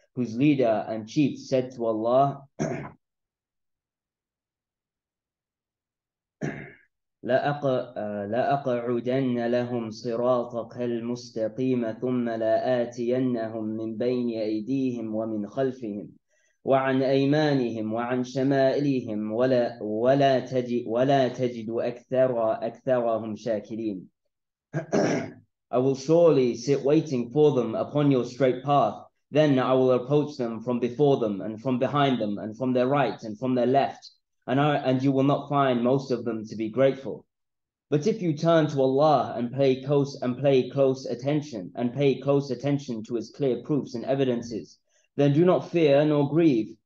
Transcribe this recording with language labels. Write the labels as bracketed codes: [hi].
[en] whose leader and chief said to Allah, [ar] لَأَقْعُدَنَّ لَهُمْ صِرَاطَكَ الْمُسْتَقِيمَ ثُمَّ لَآتِيَنَّهُمْ مِنْ بَيْنِ أَيْدِيهِمْ وَمِنْ خَلْفِهِمْ وعن أيمانهم وعن شمائلهم ولا تجد أكثرهم شاكرين. [en] I will surely sit waiting for them upon your straight path. Then I will approach them from before them and from behind them and from their right and from their left. And you will not find most of them to be grateful. But if you turn to Allah and pay close attention to His clear proofs and evidences, then do not fear nor grieve.